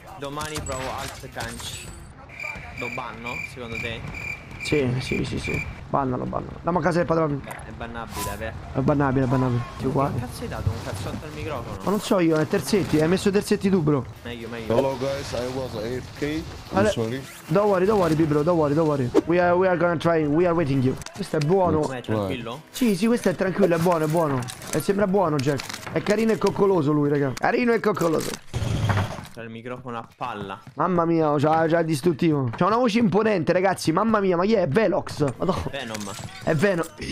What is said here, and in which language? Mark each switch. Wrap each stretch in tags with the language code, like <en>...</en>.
<it>Domani provo alt canch. Lo banno, secondo te? Sì, sì, sì, sì. Bannalo, bannalo. Andiamo a casa del padrone. È bannabile, beh. È bannabile, bannabile. Ti uguale. Che cazzo hai dato? Un cazzotto al microfono. Ma non so io, è terzetti, hai messo terzetti tu, bro. Meglio, meglio.</it> <en>Hello guys, I was AFK. Allora, sorry. Don't worry, bro, don't worry. We are gonna try, we are waiting you.</en> <it>Questo è buono. Ma è tranquillo? Sì, sì, questo è tranquillo, è buono. E sembra buono, Jack. È carino e coccoloso lui, raga. Carino e coccoloso. C'ha il microfono a palla. Mamma mia, c'ha il distruttivo. C'ha una voce imponente, ragazzi. Mamma mia, ma chi è? Velox. Madonna. Venom. È Venom.</it>